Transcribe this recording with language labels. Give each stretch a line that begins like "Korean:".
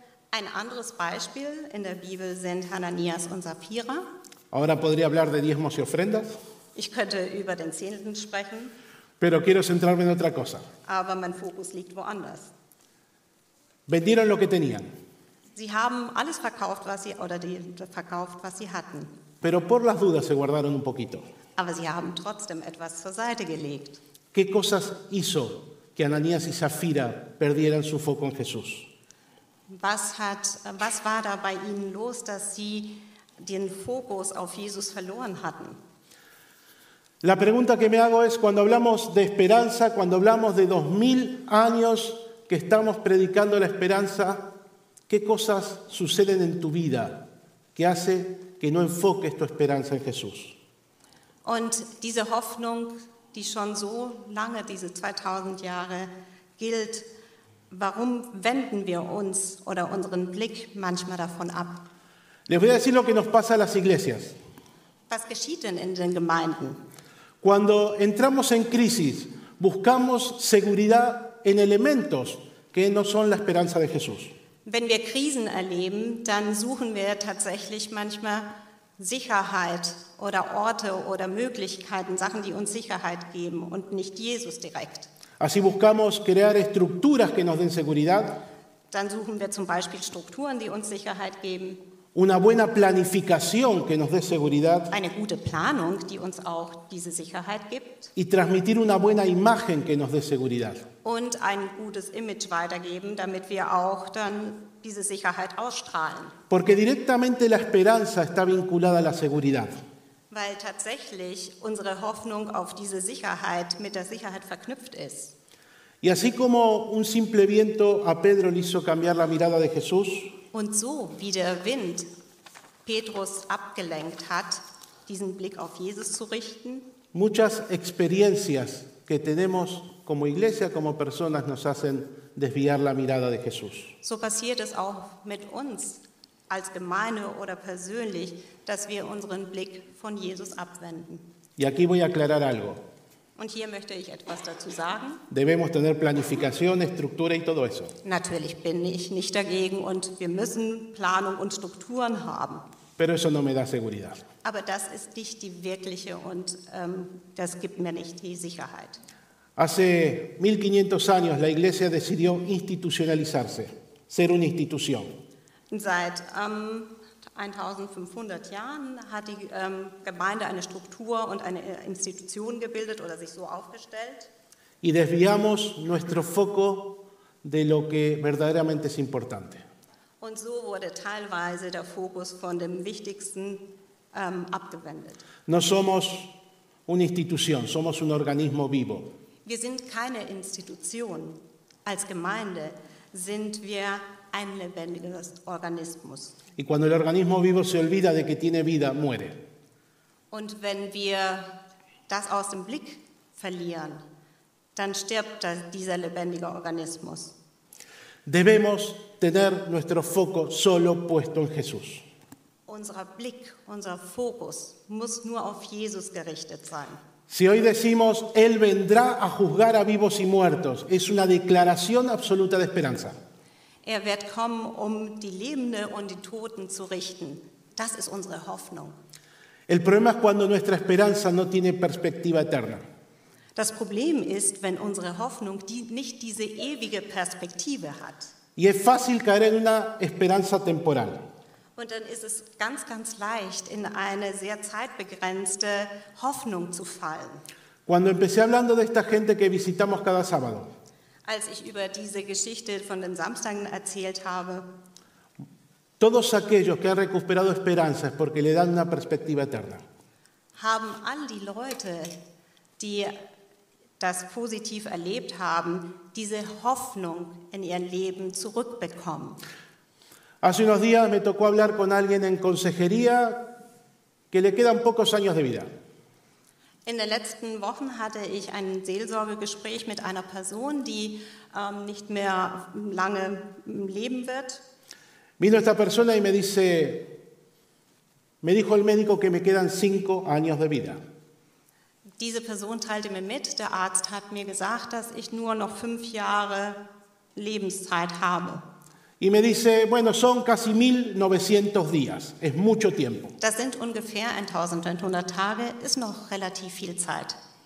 German: Ein anderes Beispiel in der Bibel sind Ananias und Safira.
Spanish: Ahora podría hablar de diezmos y ofrendas.
German: Ich könnte über den Zehnten sprechen.
Spanish: Pero quiero centrarme en otra cosa.
German: Aber mein Fokus liegt woanders.
Spanish: Vendieron lo que tenían.
German: Sie haben alles verkauft, was sie hatten.
Spanish: Pero por las dudas se guardaron un poquito.
German: Aber sie haben trotzdem etwas zur Seite gelegt.
Spanish: ¿Qué cosas hizo que Ananías y Safira perdieran su foco en Jesús?
German: Was war da bei ihnen los, dass sie den Fokus auf Jesus verloren hatten?
Spanish: La pregunta que me hago es, cuando hablamos de esperanza, cuando hablamos de 2000 años que estamos predicando la esperanza, ¿qué cosas suceden en tu vida que hace que no enfoques tu esperanza en Jesús?
German: Und diese Hoffnung, die schon so lange, diese 2000 Jahre gilt, warum wenden wir uns oder unseren Blick manchmal davon ab?
Spanish: Les voy a decir lo que nos pasa a las iglesias.
German: Was geschieht denn in den Gemeinden?
Spanish: Cuando entramos en crisis, buscamos seguridad en elementos que no son la esperanza de Jesús.
German: Wenn wir Krisen erleben, dann suchen wir tatsächlich manchmal Sicherheit oder Orte oder Möglichkeiten, Sachen, die uns Sicherheit geben und nicht Jesus direkt.
Spanish: Así buscamos crear estructuras que nos den seguridad.
German: Dann suchen wir zum Beispiel Strukturen, die uns Sicherheit geben.
Spanish: Una buena planificación que nos dé seguridad.
German: Eine gute Planung, die uns auch diese Sicherheit gibt.
Spanish: Y transmitir una buena imagen que nos dé seguridad.
German: Und ein gutes Image weitergeben, damit wir auch dann diese Sicherheit ausstrahlen.
Spanish: Porque directamente la esperanza está vinculada a la seguridad.
German: Weil tatsächlich unsere Hoffnung auf diese Sicherheit mit der Sicherheit verknüpft ist.
Spanish: Y así como un simple viento a Pedro le hizo cambiar la mirada de Jesús.
German: Und so wie der Wind Petrus abgelenkt hat, diesen Blick auf Jesus zu richten.
Spanish: Muchas experiencias que tenemos como iglesia, como personas, nos hacen desviar la mirada de Jesús.
German: So passiert es auch mit uns als Gemeinde oder persönlich, dass wir unseren Blick von Jesus abwenden.
Spanish: Y aquí voy a aclarar algo.
German: Und hier möchte ich etwas dazu sagen.
Spanish: Debemos tener planificación, estructura y todo eso.
German: Natürlich bin ich nicht dagegen und wir müssen Planung und Strukturen haben.
Spanish: Pero eso no me da seguridad.
German: Aber das ist nicht die wirkliche und das gibt mir nicht die Sicherheit.
Spanish: Hace 1500 años la iglesia decidió institucionalizarse, ser una institución.
German: Seit 1500 Jahren hat die Gemeinde eine Struktur und eine Institution gebildet oder sich so aufgestellt.
Spanish: Y desviamos nuestro foco de lo que verdaderamente es importante.
German: Und so wurde teilweise der Fokus von dem Wichtigsten abgewendet.
Spanish: No somos una institución, somos un organismo vivo.
German: Wir sind keine Institution. Als Gemeinde sind wir ein lebendiges Organismus.
Spanish: Y cuando el organismo vivo se olvida de que tiene vida, muere.
German: Und wenn wir das aus dem Blick verlieren, dann stirbt dieser lebendige Organismus.
Spanish: Debemos tener nuestro foco solo puesto en Jesús.
German: Unser Blick, unser Fokus muss nur auf Jesus gerichtet sein.
Spanish: Si hoy decimos, Él vendrá a juzgar a vivos y muertos, es una declaración absoluta de esperanza.
German: Er wird kommen, die Lebenden und die Toten zu richten. Das ist unsere Hoffnung.
Spanish: El problema es cuando nuestra esperanza no tiene perspectiva eterna.
German: Das Problem ist, wenn unsere Hoffnung nicht diese ewige Perspektive hat.
Spanish: Y es fácil caer en una esperanza temporal.
German: Und dann ist es ganz, ganz leicht, in eine sehr zeitbegrenzte Hoffnung zu fallen.
Spanish: Cuando empecé hablando de esta gente que visitamos cada sábado,
German: als ich über diese Geschichte von den Samstagen erzählt habe,
Spanish: todos aquellos que han recuperado esperanza es porque le dan una perspectiva eterna.
German: Haben all die Leute, die das positiv erlebt haben, diese Hoffnung in ihr Leben zurückbekommen.
Spanish: Hace unos días me tocó hablar con alguien en consejería que le quedan pocos años de vida.
German: In den letzten Wochen hatte ich ein Seelsorgegespräch mit einer Person, die nicht mehr lange leben wird.
Spanish: Vino esta persona y me dijo el médico que me quedan 5 años de vida.
German: Diese Person teilte mir mit, der Arzt hat mir gesagt, dass ich nur noch 5 Jahre Lebenszeit habe.
Spanish: Y me dice, bueno, son casi 1900 días, es mucho tiempo.
German: Das sind ungefähr 1900 Tage, ist noch relativ viel Zeit.